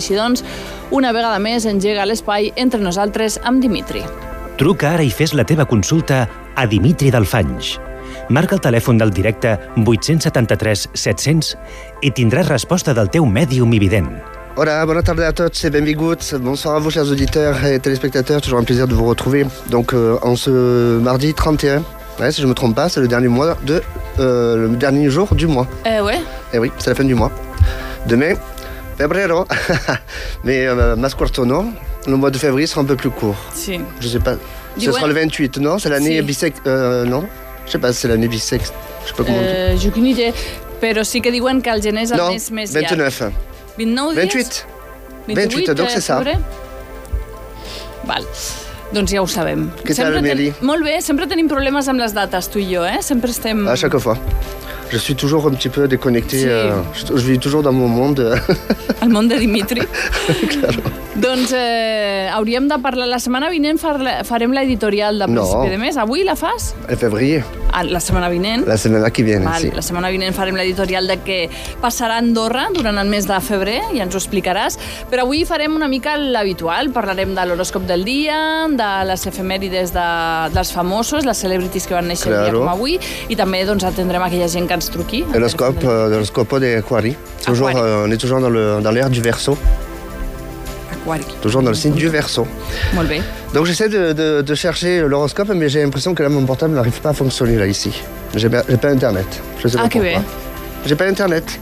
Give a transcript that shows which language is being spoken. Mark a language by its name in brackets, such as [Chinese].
[Catalan] Així doncs, una vegada més engega l'espai Entre Nosaltres amb Dimitri. Truca ara i fes la teva consulta a Dimitri Delfanys. Marca el telèfon del directe 873-700 i tindràs resposta del teu mèdium i vident. Hola, bona tarda a tots et benvinguts. [French] Bonsoir a vous, chers auditeurs et téléspectateurs. Toujours un plaisir de vous retrouver. Donc, en ce mardi 31, ouais, si je ne me trompe pas, c'est le dernier jour du mois. Eh oui, c'est la fin du mois. Demain, febrero. Mais mascuarto, non. Le mois de février sera un peu plus court. Si. Je ne sais pas. Ce sera le 28, non. C'est l'année bisexe, non. Je sais pas, c'est l'année bisexte. Je sais pas comment. J'ai aucune idée. [Catalan] Pero sí que diuen que el gener és el mes més llarg. 29. 29 dies? 28. 28, doncs és ça. Val. Doncs ja ho sabem. Què tal, Meli? Molt bé, sempre tenim problemes amb les dates, tu i jo, eh? Sempre estem... [French] A chaque fois. Je suis toujours un petit peu déconnecté. [Catalan] Sí. [French] Je vis toujours dans mon monde. [Catalan] El món de Dimitri. [Spanish] Claro. [Catalan] Doncs hauríem de parlar. La setmana vinent farem l'editorial de principi de mes. Avui la fas? En febrer. La setmana vinent? La setmana que viene, vale, sí. La setmana vinent farem l'editorial de què passarà a Andorra durant el mes de febrer, i ja ens ho explicaràs. Però avui farem una mica l'habitual. Parlarem de l'horòscop del dia, de les efemèrides dels famosos, les celebrities que van néixer [Spanish] claro. [Catalan] El dia com avui, i també doncs atendrem aquella gent que ens truqui. L'horòscop de Aquari. [French] On est toujours dans l'ère du Verseau. [Catalan] Aquari. [French] Toujours dans le signe du Verseau. [Catalan] Molt bé. [French] Donc j'essaie de chercher l'horoscope, mais j'ai l'impression que là mon portable n'arrive pas à fonctionner là ici. J'ai pas internet. Je sais pas pourquoi. [Spanish] Ah, que bien. [French] J'ai pas internet.